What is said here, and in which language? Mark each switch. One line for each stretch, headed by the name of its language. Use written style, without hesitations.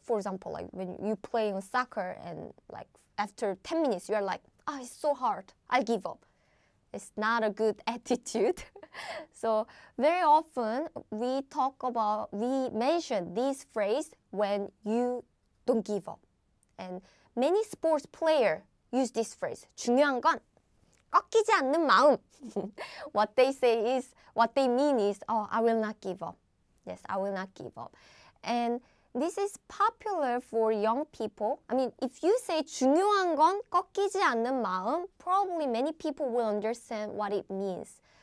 English: For example, like when you play in soccer and like after 10 minutes, you're like, oh, it's so hard. I'll give up. It's not a good attitude. So very often we mention this phrase when you don't give up. And many sports players use this phrase.
Korean: 중요한 건 꺾이지 않는 마음.
English: What they say is, what they mean is, oh, I will not give up. Yes, I will not give up. And this is popular for young people. I mean, if you say
Korean: 중요한 건 꺾이지 않는 마음,
English: probably many people will understand what it means.